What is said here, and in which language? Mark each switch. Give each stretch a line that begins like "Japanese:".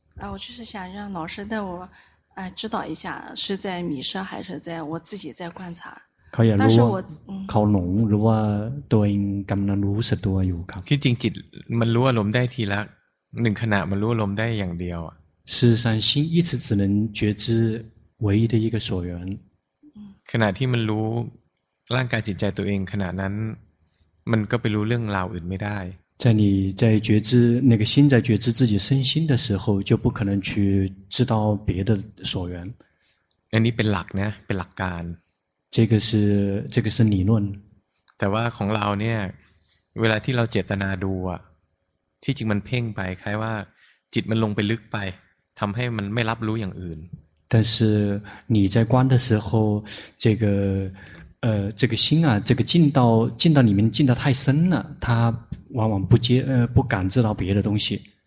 Chinese: 我就是想让老师带我，指导一下，是在迷失还是在我自己在观察？可以，但是我靠拢，如果
Thai: ตัวเองกำลังรู้สึกตัวอยู่ครับ。
Chinese: 其实
Thai: จิตมันรู้อารมณ์ได้ทีละหนึ่งขณะมันรู้อารมณ์ได้อย่างเดียว。
Chinese: 事实上，心一直只能觉知唯一的一个所缘。
Thai: ขณะที่มันรู้ร่างกายจิตใจตัวเองขณะนั้นมันก็ไปรู้เรื่องราวอื่นไม่ได้
Chinese: 在你在觉知那个心在觉知自己身心的时候就不可能去知道别的所缘
Thai: อันนี้เป็นหลักนะเป็นหลักการ
Chinese: 这个是这个是理论
Thai: แต่ว่าของเราเนี่ยเวลาที่เราเจตนาดูอะที่จริงมันเพ่งไปคล้ายว่าจิตมันลงไปลึกไปทำให้มันไม่รับรู้อย่างอื่น
Chinese: 但是你在观的时候这个这个心啊这个进到里面进得太深了它往往不感知到别的东西